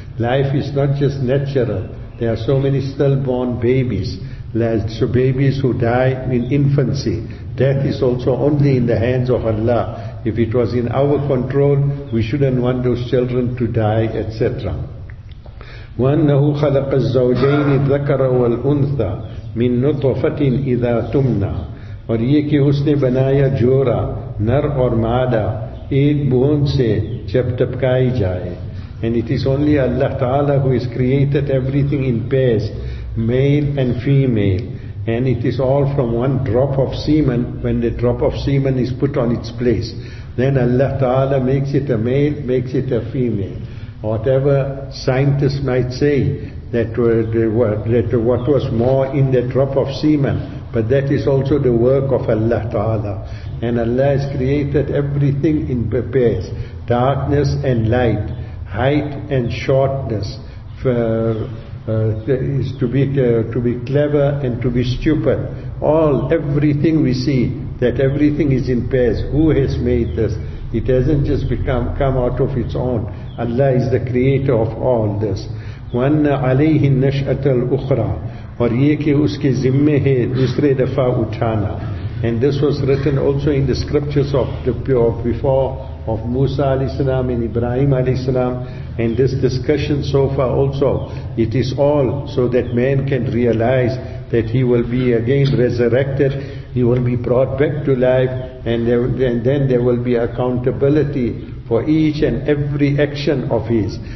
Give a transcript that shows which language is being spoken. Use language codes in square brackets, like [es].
[en] Life is not just natural. There are so many stillborn babies. So babies who die in infancy. Death is also only in the hands of Allah. If it was in our control, we shouldn't want those children to die, etc. [ar] وَأَنَّهُ خَلَقَ الزَّوْجَيْنِ الذَّكَرَ وَالْأُنْثَى مِنْ نُطْفَةٍ إِذَا تُمْنَى, [ur] اور یہ کہ اس نے بنایا جورا نر اور مادہ ایک بون سے جب ٹپکائی جائے. [en] And it is only Allah Ta'ala who has created everything in pairs, male and female. And it is all from one drop of semen, when the drop of semen is put on its place. Then Allah Ta'ala makes it a male, makes it a female. Whatever scientists might say, that what was more in the drop of semen, but that is also the work of Allah Ta'ala. And Allah has created everything in pairs, darkness and light, height and shortness, to be clever and to be stupid. Everything we see, that everything is in pairs. Who has made this? It hasn't just come out of its own. Allah is the creator of all this. [ar] وَأَنَّ عَلَيْهِ النَّشْأَةَ الْأُخْرَى, [ur] اور یہ کہ اس کے ذمہ ہے دوسرے دفعہ اٹھانا. [en] And this was written also in the scriptures of the before of Musa alayhi salam and Ibrahim alayhi salam. And this discussion so far also, it is all so that man can realize that he will be again resurrected, he will be brought back to life, and then there will be accountability for each and every action of his.